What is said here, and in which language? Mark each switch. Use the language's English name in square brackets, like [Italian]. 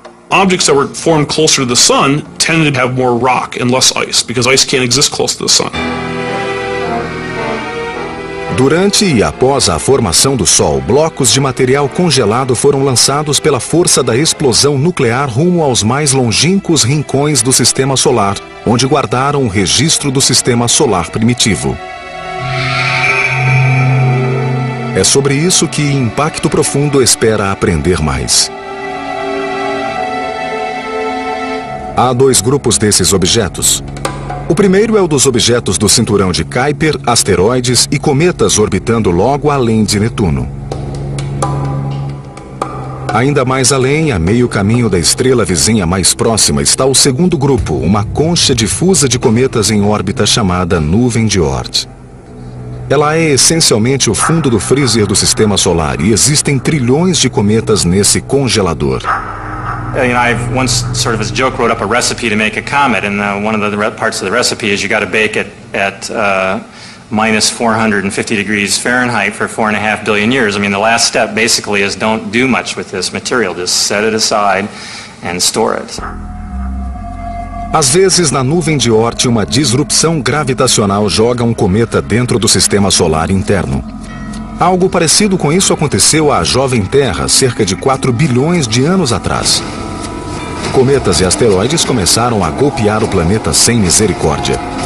[English] Objects that were formed closer to the sun tended to have more rock and less ice, because ice can't exist close to the sun. [Portuguese] Durante e após a formação do Sol, blocos de material congelado foram lançados pela força da explosão nuclear rumo aos mais longínquos rincões do sistema solar, onde guardaram o registro do sistema solar primitivo. É sobre isso que Impacto Profundo espera aprender mais. Há dois grupos desses objetos. O primeiro é o dos objetos do cinturão de Kuiper, asteroides e cometas orbitando logo além de Netuno. Ainda mais além, a meio caminho da estrela vizinha mais próxima, está o segundo grupo, uma concha difusa de cometas em órbita chamada Nuvem de Oort. Ela é essencialmente o fundo do freezer do sistema solar e existem trilhões de cometas nesse congelador. [English] You know, I've once, sort of as a joke, wrote up a recipe to make a comet, and one of the parts of the recipe is you got to bake it at minus 450 degrees Fahrenheit for 4.5 billion years. I mean, the last step basically is don't do much with this material, just set it aside and store it. [Portuguese] Às vezes, na nuvem de Oort, uma disrupção gravitacional joga um cometa dentro do sistema solar interno. Algo parecido com isso aconteceu à jovem Terra, cerca de 4 bilhões de anos atrás. Cometas e asteroides começaram a golpear o planeta sem misericórdia.